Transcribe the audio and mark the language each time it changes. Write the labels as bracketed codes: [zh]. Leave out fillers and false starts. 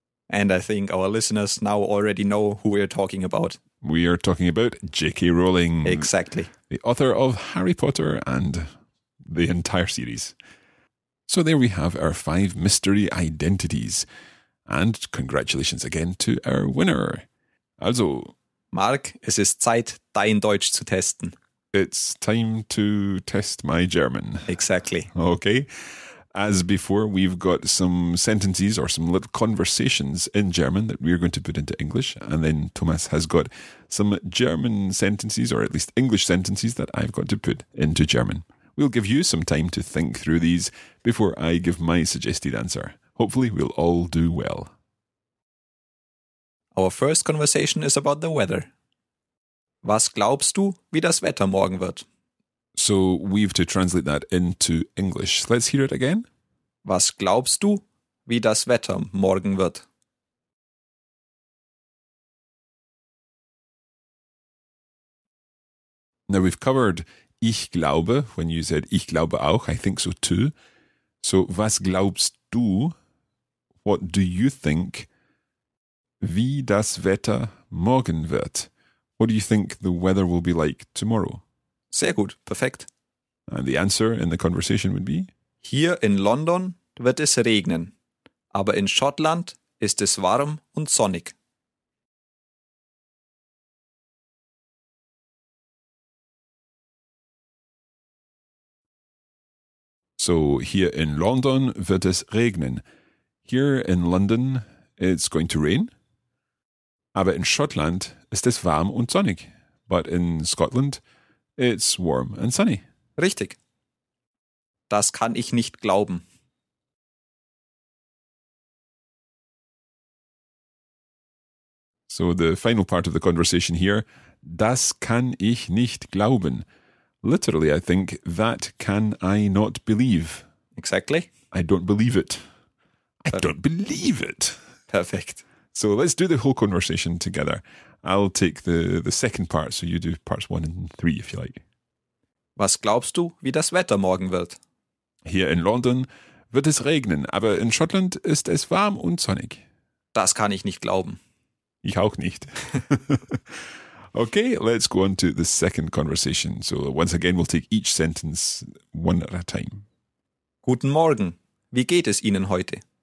[en] And I think our listeners now already know who we're talking about. We are talking about J.K. Rowling. Exactly. The author of Harry Potter and the entire series. So there we have our five mystery identities. And congratulations again to our winner. Also. [de] Mark, es ist Zeit, dein Deutsch zu testen. [en] It's time to test my German. Exactly. Okay. As before, we've got some sentences or some little conversations in German that we're going to put into English. And then Thomas has got some German sentences, or at least English sentences, that I've got to put into German. We'll give you some time to think through these before I give my suggested answer. Hopefully we'll all do well. Our first conversation is about the weather. [de] Was glaubst du, wie das Wetter morgen wird? [en] So we've to translate that into English. Let's hear it again. [de] Was glaubst du, wie das Wetter morgen wird? [en] Now we've covered [de] ich glaube [en] when you said [de] ich glaube auch, [en] I think so too. So [de] was glaubst du, [en] what do you think, [de] wie das Wetter morgen wird? [en] What do you think the weather will be like tomorrow? [de] Sehr gut, perfekt. [en] And the answer in the conversation would be? [de] Hier in London wird es regnen, aber in Schottland ist es warm und sonnig. So, hier in London wird es regnen. [en] Here in London it's going to rain. [de] Aber in Schottland ist es warm und sonnig. [en] But in Scotland it's warm and sunny. [de] Richtig. Das kann ich nicht glauben. [en] So the final part of the conversation here. [de] Das kann ich nicht glauben. [en] Literally, I think, that can I not believe. Exactly. I don't believe it. I don't believe it. Perfect. So let's do the whole conversation together. I'll take the second part, so you do parts one and three, if you like. [de] Was glaubst du, wie das Wetter morgen wird? Hier in London wird es regnen, aber in Schottland ist es warm und sonnig. Das kann ich nicht glauben. Ich auch nicht. [en] Okay, let's go on to the second conversation. So once again, we'll take each sentence one at a time. [de] Guten Morgen, wie geht es Ihnen heute?